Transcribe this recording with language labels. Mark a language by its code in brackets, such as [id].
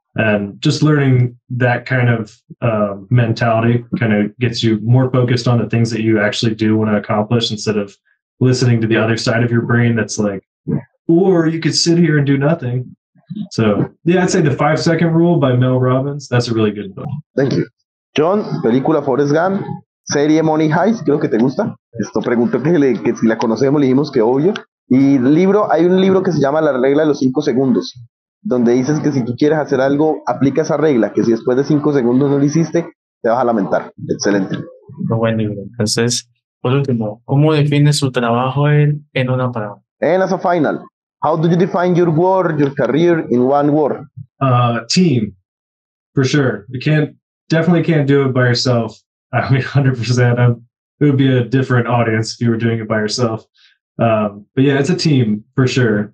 [en] And just learning that kind of mentality kind of gets you more focused on the things that you actually do want to accomplish instead of listening to the other side of your brain that's like, or you could sit here and do nothing. So yeah, I'd say The 5 Second Rule by Mel Robbins. That's a really good book. Thank you. [es] Jhon, película Forrest Gump, serie [en] Money Heist, [es] creo que te gusta. Esto pregunto que si la conocemos, le dijimos que obvio. Y libro, hay un libro que se llama La Regla de los 5 Segundos. Donde dices que si tú quieres hacer algo, aplica esa regla, que si después de 5 segundos no lo hiciste, te vas a lamentar. Excelente. Muy buen libro. Entonces, por último, ¿cómo defines su trabajo en una palabra? [en] And as a final, how do you define your work, your career in one word? Team, for sure. You definitely can't do it by yourself. I mean, 100%. It would be a different audience if you were doing it by yourself. But yeah, it's a team, for sure.